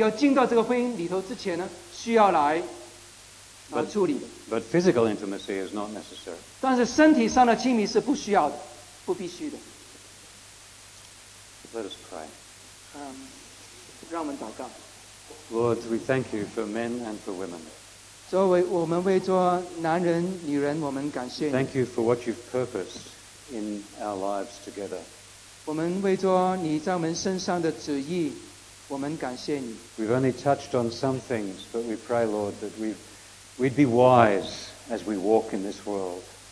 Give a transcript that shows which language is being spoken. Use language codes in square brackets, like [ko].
[zh] 这一方面的诚实开放呢，在结婚之前，你要进到这个婚姻里头之前呢，需要来。 [en] But physical intimacy is not necessary. [zh] 但是身体上的亲密是不需要的，不必须的。 [en] Let us pray. [zh] 让我们祷告。 [en] Lord, we thank you for men and for women. [zh] 作为我们为着男人、女人，我们感谢你。 [en] Thank you for what you've purposed in our lives together. [zh] 我们为着你在我们身上的旨意，我们感谢你。 [en] We've only touched on some things, but we pray, Lord, that we'd be wise as we walk in this world.